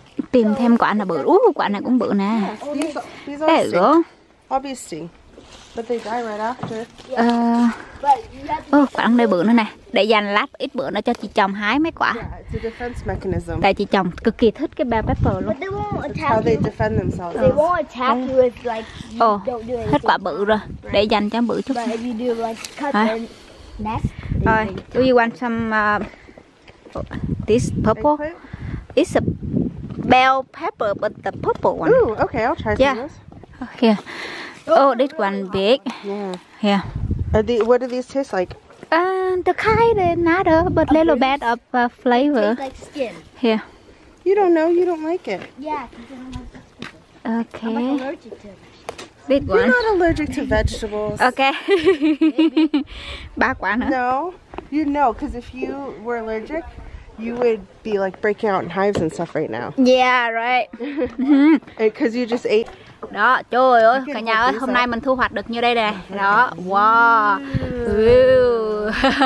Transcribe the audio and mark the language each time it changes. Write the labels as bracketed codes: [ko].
[vi] Tìm thêm quả nào bự. Quả này cũng bự nè. [en] There you go. Obviously. But they die right after. [vi] Quả ông đây bự nữa nè. Để dành lát ít bữa nữa cho chị chồng hái mấy quả. [en] Yeah, [vi] tại chị chồng cực kỳ thích cái bell pepper luôn. [en] How they defend themselves. They won't attack you if like you don't do anything. [vi] Hết quả bự rồi. Để dành cho bự chút. [en] But if you do like cut the nest. Rồi, do you want some this purple? Eggplant? It's a bell pepper but the purple one. Ooh, okay, I'll try some of this. Okay. Oh, this one big. Yeah. Yeah. What do these taste like? The kind of not a but a little bit of flavor. It tastes like skin. Yeah. You don't know. You don't like it. Yeah, because I don't like vegetables. Okay. I'm like allergic to vegetables. You're not allergic to vegetables. Okay. Maybe. [vi] Ba quả nữa. [en] No, you know, because if you were allergic, you would be like breaking out in hives and stuff right now. Yeah, right. Because you just ate. [vi] Đó, trời ơi, cả nhà ơi, hôm nay mình thu hoạch được như đây nè. Đó, wow.